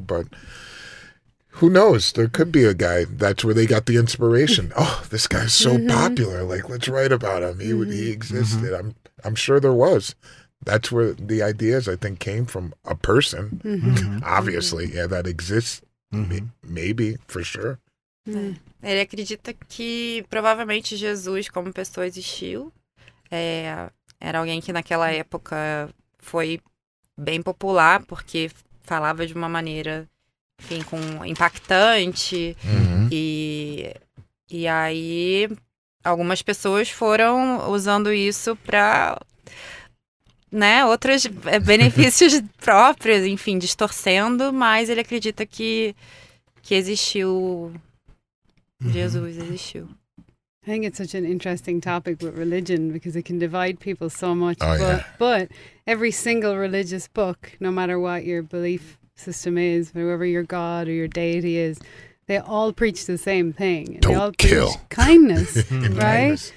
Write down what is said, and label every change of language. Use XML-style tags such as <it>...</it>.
<en>But who knows? There could be a guy. That's where they got the inspiration. Oh, this guy's so mm-hmm. popular. Like, let's write about him. He mm-hmm. he existed. Mm-hmm. I'm sure there was. That's where the ideas, I think, came from a person, mm-hmm. obviously, mm-hmm. yeah, that exists, mm-hmm. maybe, for sure.</en> <pt>Ele acredita que provavelmente Jesus, como pessoa, existiu. Era alguém que naquela época foi bem popular, porque falava de uma maneira, enfim, com impactante. Mm-hmm. E aí, algumas pessoas foram usando isso para... Né? Outros benefícios próprios, enfim, distorcendo, mas ele acredita que existiu, Jesus existiu.</pt> <en>I think it's such an interesting topic with religion, because it can divide people so much, oh, but, yeah. but every single religious book, no matter what your belief system is, whoever your god or your deity is, they all preach the same thing. Don't they all kill. Preach kindness, right?</en>